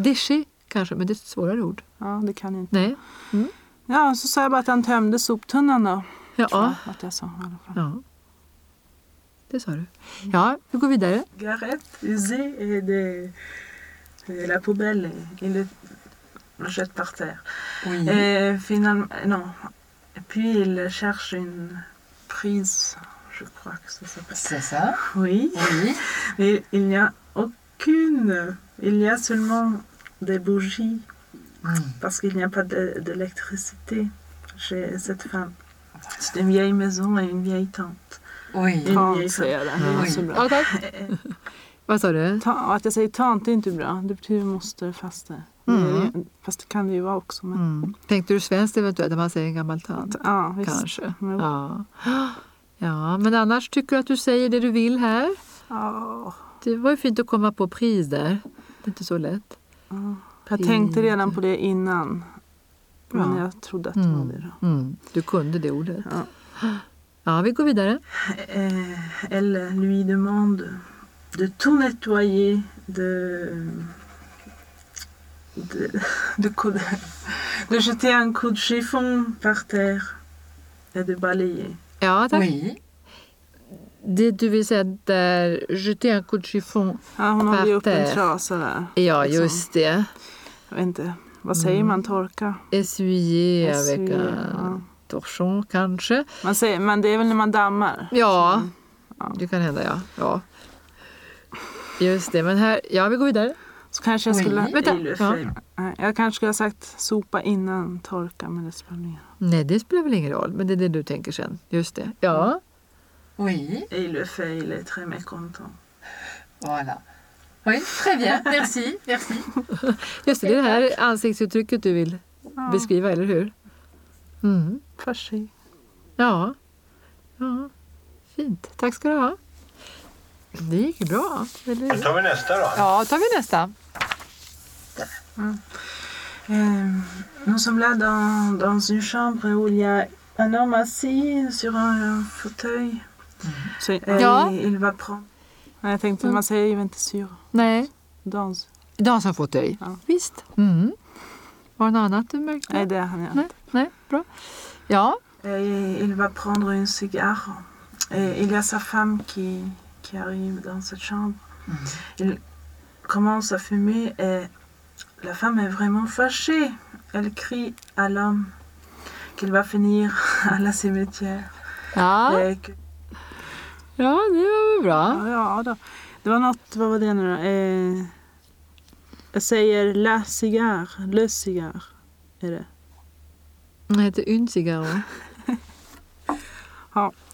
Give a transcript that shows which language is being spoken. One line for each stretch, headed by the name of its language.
Swedish: Déché kanske, men det är ett svårare ord. Ja, det kan jag inte. Nej. Mm. Ja, så sa jag bara att han tömde soptunnan då. Ja. Jag att jag sa, i alla fall. Ja. Det sa du. Ja, vi går vidare.
French: Garrett, usé et de la poubelle. Il le jette par terre. Oui. Et finalement, non. Et puis il cherche une prise, je crois que ça s'appelle. C'est ça? Oui. Oui. Mais il n'y a aucune. Il y a seulement des bougies. Oui. Parce qu'il n'y a pas d'électricité chez cette femme. C'est une vieille maison et une vieille tante.
Swedish: Oj, tant, säger jag där. Det är så bra. Vad sa du? Att jag säger tant är inte bra. Det betyder moster, faste. Mm. Fast det kan det ju vara också. Men... Mm. Tänkte du svenskt eventuellt när man säger en gammal tant? Ja, visst. Kanske. Ja. Ja, men annars tycker du att du säger det du vill här? Ja. Det var ju fint att komma på pris där. Det är inte så lätt. Ja. Jag tänkte redan på det innan. Bra. Men jag trodde att det var det då. Mm. Du kunde det ordet. Ja, vi går vidare.
French: Eller lui demande de tout nettoyer de jeter un coup de chiffon par terre et de balayer.
Swedish: Ja, tack. Oui. Det du vill säga där
French: jeter un coup de chiffon par terre.
Swedish: Ja, hon har ju upp en trasa där. Ja, just det. Jag vet inte. Vad säger man torka?
French: Essuyer avec un torchon kanske.
Swedish: Man säger, men det är väl när man dammar. Ja. Det kan hända, ja. Ja. Just det, men här, ja, vi går vidare. Så kanske jag skulle, jag kanske skulle ha sagt sopa innan torka, men det spelar ingen roll. Nej, det spelar väl ingen roll, men det är det du tänker sen. Just det, ja.
French: Oui. Et le fait, il est très mécontent. Voilà. Oui, très bien, merci, merci.
Swedish: Just det, det här ansiktsuttrycket du vill beskriva, eller hur?
French: Mm. Merci.
Swedish: Ja. Ja, fint. Tack ska du ha. Det gick bra. Eller? Då tar vi nästa då. Ja, tar vi nästa.
French: Nous sommes là dans une chambre où il y a un homme assis sur un fauteuil.
Swedish: Ja.
French: Il va prendre.
Swedish: Jag tänkte man säger ju inte sur. Nej.
French: Dans un fauteuil.
Swedish: Ja. Visst. Mm. Var det något annat du märkte? Nej, det har jag inte. Nej, bra. Ja.
French: Il va prendre une cigare. Il y a sa femme qui arrive dans cette chambre. Il commence à fumer et la femme est vraiment fâchée. Elle crie à l'homme qu'il va finir à la cimetière.
Swedish: Ah. Ja, det var väl bra. Ja, ja då. Det var något, vad var det nu då? Jag säger
French: la cigare, le cigare.
Swedish: Är det? Nej, det är
French: un cigare.
Swedish: Ja.